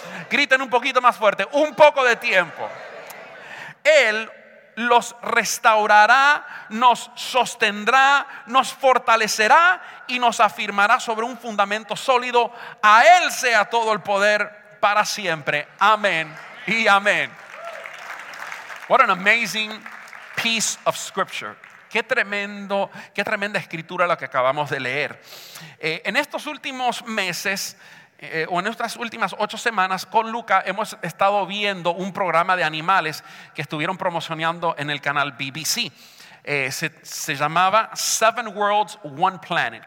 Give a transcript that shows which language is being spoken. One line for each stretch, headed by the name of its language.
Spanish: Griten un poquito más fuerte, un poco de tiempo. Él los restaurará, nos sostendrá, nos fortalecerá y nos afirmará sobre un fundamento sólido. A Él sea todo el poder para siempre. Amén y amén.
English: What an amazing piece of scripture.
Spanish: Qué tremenda escritura lo que acabamos de leer. En estos últimos meses, o en estas últimas 8 semanas, con Luca hemos estado viendo un programa de animales que estuvieron promocionando en el canal BBC. Se llamaba 7 Worlds, 1 Planet.